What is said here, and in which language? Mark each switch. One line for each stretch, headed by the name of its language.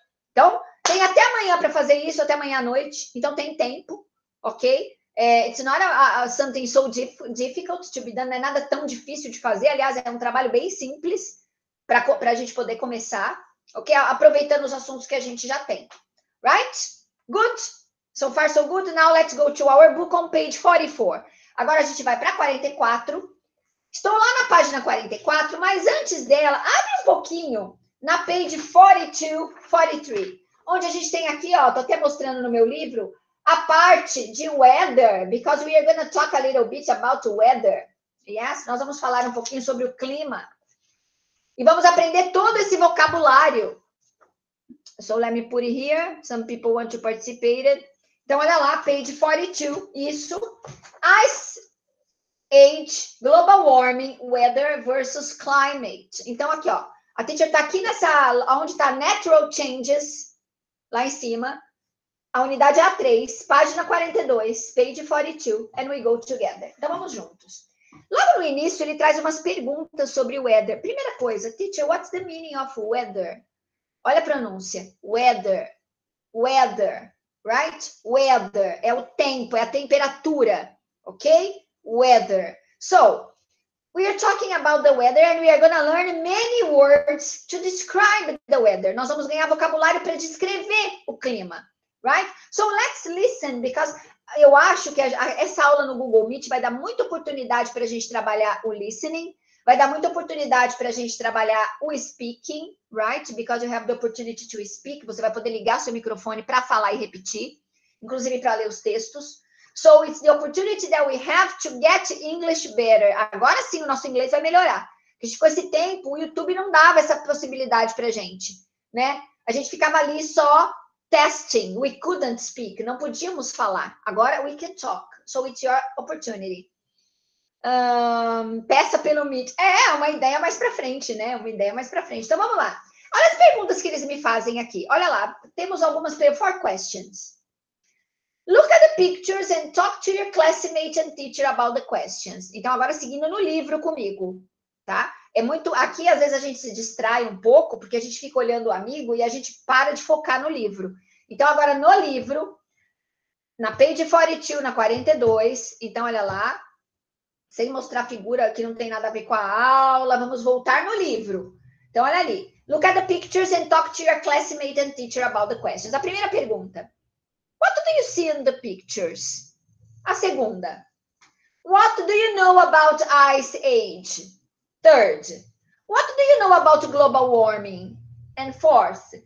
Portuguese: Então, tem até amanhã para fazer isso, até amanhã à noite. Então, tem tempo, ok?
English: It's not something so difficult to be done.
Portuguese: Não é nada tão difícil de fazer. Aliás, é um trabalho bem simples para a gente poder começar, ok? Aproveitando os assuntos que a gente já tem, right?
English: Good. So far, so good. Now, let's go to our book on page 44.
Portuguese: Agora, a gente vai para 44. Estou lá na página 44, mas antes dela, abre um pouquinho na page 42, 43, onde a gente tem aqui, ó, tô até mostrando no meu livro, a parte de weather,
English: because we are going to talk a little bit about weather.
Portuguese: Yes? Nós vamos falar um pouquinho sobre o clima. E vamos aprender todo esse vocabulário.
English: So let me put it here. Some people want to participate.
Portuguese: Então, olha lá, page 42. Isso.
English: Ice age, global warming, weather versus climate.
Portuguese: Então, aqui, ó. A teacher tá aqui nessa... Onde tá natural changes, lá em cima. A unidade A3, página 42, page 42.
English: And we go together.
Portuguese: Então, vamos juntos. Logo no início, ele traz umas perguntas sobre weather. Primeira coisa, teacher,
English: what's the meaning of weather?
Portuguese: Olha a pronúncia, weather, right? Weather, é o tempo, é a temperatura, ok? Weather. So,
English: We are talking about the weather and we are going to learn many words to describe the weather.
Portuguese: Nós vamos ganhar vocabulário para descrever o clima, right?
English: So let's listen, because
Portuguese: eu acho que essa aula no Google Meet vai dar muita oportunidade para a gente trabalhar o listening, vai dar muita oportunidade para a gente trabalhar o speaking, right?
English: Because you have the opportunity to speak,
Portuguese: você vai poder ligar seu microfone para falar e repetir, inclusive para ler os textos.
English: So it's the opportunity that we have to get English better.
Portuguese: Agora sim, o nosso inglês vai melhorar. Porque com esse tempo, o YouTube não dava essa possibilidade para a gente, né? A gente ficava ali só testing.
English: We couldn't speak.
Portuguese: Não podíamos falar. Agora
English: we can talk. So it's your opportunity.
Portuguese: Peça pelo Meet. É, uma ideia mais para frente, né? Uma ideia mais para frente. Então, vamos lá. Olha as perguntas que eles me fazem aqui. Olha lá. Temos algumas 4 questions.
English: Look at the pictures and talk to your classmate and teacher about the questions.
Portuguese: Então, agora seguindo no livro comigo, tá? É muito... Aqui, às vezes, a gente se distrai um pouco, porque a gente fica olhando o amigo e a gente para de focar no livro. Então, agora no livro, na page 42, na 42, então, olha lá, sem mostrar a figura que não tem nada a ver com a aula, vamos voltar no livro. Então, olha ali.
English: Look at the pictures and talk to your classmate and teacher about the questions.
Portuguese: A primeira pergunta.
English: What do you see in the pictures?
Portuguese: A segunda.
English: What do you know about ice age? Third. What do you know about global warming? And fourth.